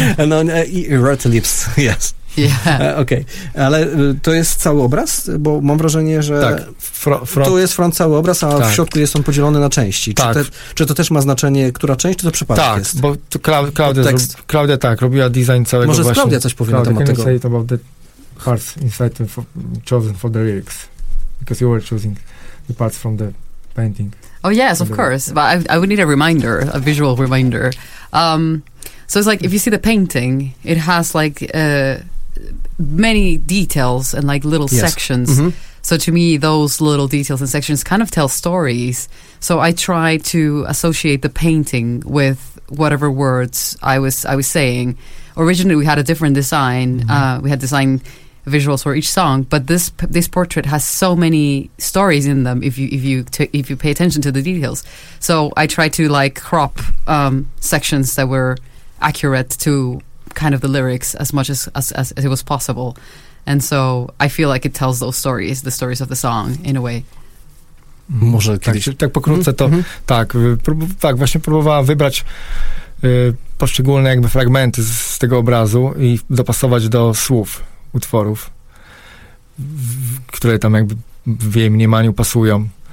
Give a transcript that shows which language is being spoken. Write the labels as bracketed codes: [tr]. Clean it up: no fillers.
[pl] No, i [en] red lips, yes. Yeah. [pl] Okej, okay. Ale to jest cały obraz? Bo mam wrażenie, że tak, tu jest front cały obraz, a tak, w środku jest on podzielony na części. Tak. Czy to też ma znaczenie, która część, czy to przypadek tak, jest? Tak, bo Klaudia tak, robiła design całego. Może właśnie. Może Klaudia coś powie Klaudia na temat tego. [en] About the hearts inside chosen for the lyrics, because you were choosing the parts from the painting. Oh yes, of course, but I would need a reminder, a visual reminder. So it's like, if you see the painting, it has like many details and like little yes. sections. Mm-hmm. So to me, those little details and sections kind of tell stories. So I try to associate the painting with whatever words I was saying. Originally, we had a different design. Mm-hmm. We had design visuals for each song, but this portrait has so many stories in them. If you pay attention to the details, so I try to like crop sections that were accurate to kind of the lyrics as much as it was possible, and so I feel like it tells those stories, the stories of the song in a way. [pl] Może kiedyś. Tak pokrótce to tak właśnie próbowałam wybrać poszczególne jakby fragmenty z tego obrazu i dopasować do słów utworów, które tam jakby w jej mniemaniu pasują.